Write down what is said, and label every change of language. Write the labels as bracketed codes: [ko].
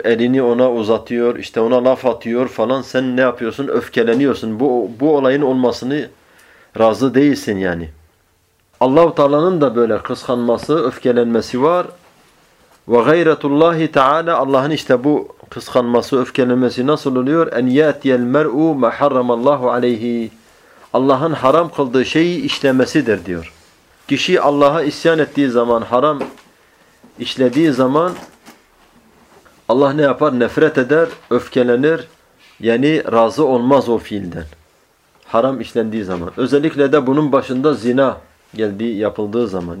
[tr] Elini ona uzatıyor, işte ona laf atıyor falan. Sen ne yapıyorsun? Öfkeleniyorsun. Bu olayın olmasını razı değilsin yani. Allah-u Teala'nın da böyle kıskanması, öfkelenmesi var. [ar] وَغَيْرَةُ اللّٰهِ تَعَالَى [tr] Allah'ın işte bu kıskanması, öfkelenmesi nasıl oluyor? [ar] اَنْ يَأْتِيَ الْمَرْءُ مَا حَرَّمَ اللّٰهُ عَلَيْهِ [tr] Allah'ın haram kıldığı şeyi işlemesidir diyor. Kişi Allah'a isyan ettiği zaman, haram işlediği zaman Allah ne yapar? Nefret eder, öfkelenir. Yani razı olmaz o fiilden. Haram işlendiği zaman. Özellikle de bunun başında zina geldiği, yapıldığı zaman.